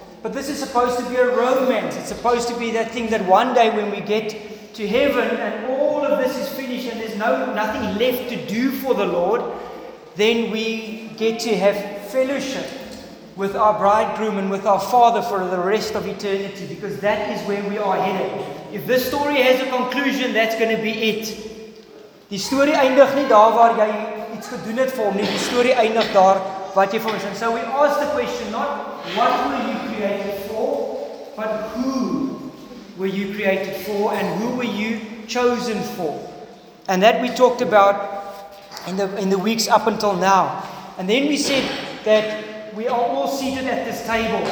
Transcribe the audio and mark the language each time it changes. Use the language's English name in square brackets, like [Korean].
[English] But this is supposed to be a romance. It's supposed to be that thing that one day when we get to heaven and all of this is finished and there's nothing left to do for the Lord, then we get to have fellowship with our bridegroom and with our Father for the rest of eternity, because that is where we are headed. If this story has a conclusion, that's going to be it. [Afrikaans] Die story eindig nie daar waar jy iets gedoen het vir hom nie. Die story eindig daar wat jy vir ons. [English] And so we ask the question, not what were you created for, but who were you created for and who were you chosen for? And that we talked about in the weeks up until now. And then we said that we are all seated at this table.